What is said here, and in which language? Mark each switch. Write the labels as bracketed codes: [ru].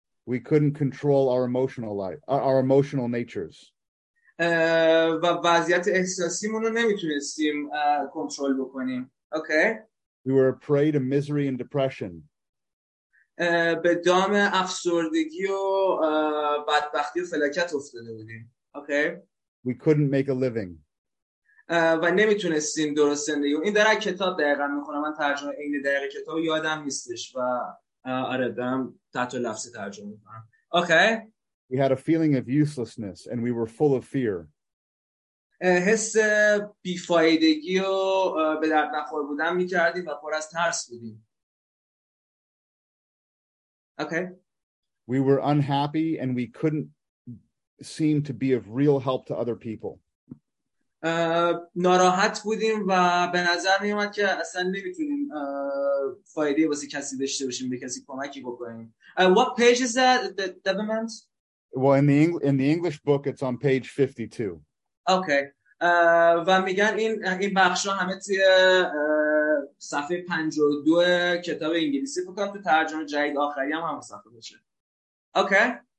[en] we couldn't control our emotional life our emotional natures [fa] و وضعیت احساسیمون رو نمیتونستیم کنترل بکنیم اوکی [en] we were prey to misery and depression [fa] به دام افسردگی و بدبختی و فلاکت افتاده بودیم اوکی [en] we couldn't make a living [fa] و نمیتونستیم درست زندگی کنیم این در کتاب دقیقا میخونم من ترجمه این دقیق کتاب یادم نیستش و آره دارم تحت لفظی ترجمه میکنم اوکی [en] we had a feeling of uselessness and we were full of fear [fa] حس بیفایدگی و به درد نخور بودن میکردیم و پر از ترس بودیم Okay. [en] We were unhappy and we couldn't seem to be of real help to other people. [fa] ناراحت بودیم و به نظر می اومد که اصلا نمیتونیم فایده واسه کسی داشته باشیم، به کسی کمکی بکنیم. [en] What page is that? Development? Well, in the English book it's on page 52. Okay. [fa] و میگن این بخشا همه توی صفحه 52 کتاب انگلیسی بکنم تو ترجمه جدید آخری هم همون صفحه باشه okay